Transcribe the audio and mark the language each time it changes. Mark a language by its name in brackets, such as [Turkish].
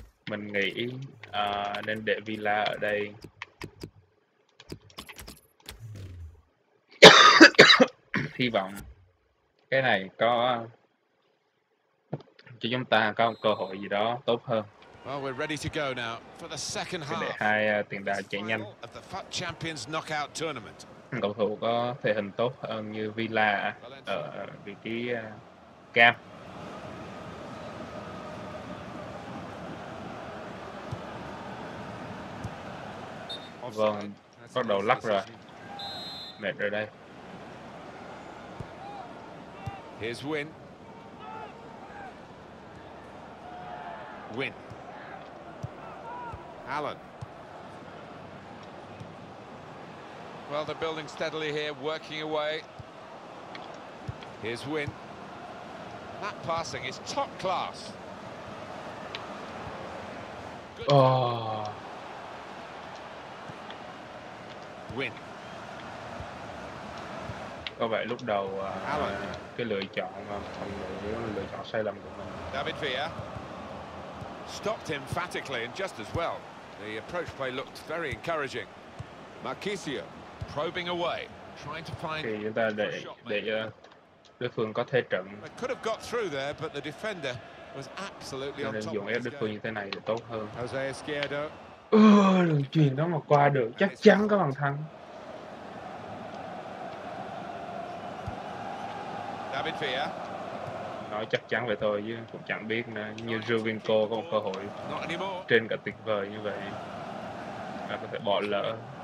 [Vietnamese] Mình nghĩ nên để Villa ở đây. Hy vọng cái này có cho chúng ta có một cơ hội gì đó tốt hơn. [English] Well, we're ready to go now for the second half. [Vietnamese] Để hai tiền đạo chạy nhanh. Champions Knockout Tournament. Cầu thủ có thể hình tốt hơn như Villa ở vị trí cam. Vâng, bắt đầu lắc rồi. Mệt rồi đây. [English] Here's Win. Win. Alan. Well, they're building steadily here, working away. Here's Win. That passing is top class. Oh. Win. [Vietnamese] Có vẻ lúc đầu cái lựa chọn không lựa chọn sai lầm của mình. [English] David Villa stopped emphatically and just as well. The approach play looked very encouraging. Marquisio. Probing away, trying to find. [Vietnamese] Thì chúng ta để đối phương có thể trận. [English] Could have got through there, but the defender was absolutely on top. [Vietnamese] Nên dùng ép đối phương như thế này thì tốt hơn. Jose Izquierdo. Đường chuyền đó mà qua được, chắc chắn có bàn thắng. David Villa. Nói chắc chắn vậy thôi chứ cũng chẳng biết nữa. Như Jovinko có một cơ hội trên cả tuyệt vời như vậy, là có thể bỏ lỡ.